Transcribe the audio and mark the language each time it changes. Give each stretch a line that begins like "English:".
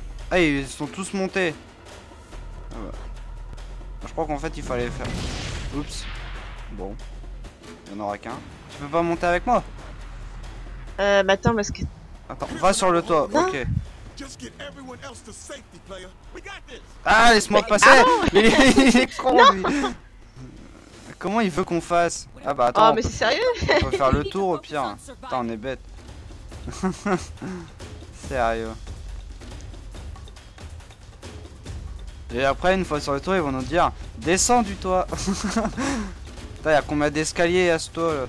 French: Ah, ils sont tous montés! Ah bah. Je crois qu'en fait il fallait faire. Oups. Bon. Il y en aura qu'un. Tu peux pas monter avec moi? Bah attends parce que. Attends, va sur le toit, non. Ok.
English: Just get everyone else to safety, player. We got this.
French: Ah laisse-moi passer. Il est con non. Lui. Comment il veut qu'on fasse? Ah bah attends. Oh mais c'est sérieux. On peut faire le tour au pire. Putain on est bête. Sérieux. Et après, une fois sur le toit, ils vont nous dire « Descends du toit !» Putain, y'a combien d'escaliers à ce toit, là?